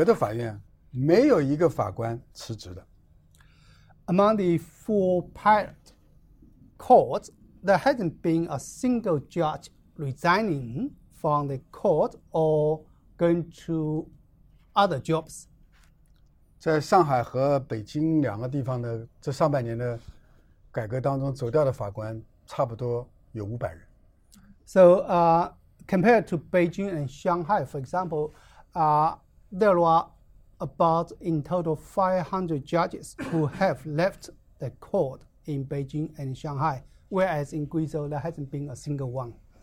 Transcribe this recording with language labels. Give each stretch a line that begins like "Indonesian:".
Chinese: 这个凡是改革的法院，没有一个法官辞职的。
English: Among the four pilot courts, there hasn't been a single judge resigning from the court or going to other jobs.
Chinese: 在上海和北京两个地方的这上半年的 改革当中走掉的法官差不多有500人。
English: So compared to Beijing and Shanghai, for example, there are about in total 500 judges who have left the court in Beijing and Shanghai, whereas in Guizhou there hasn't been a single one.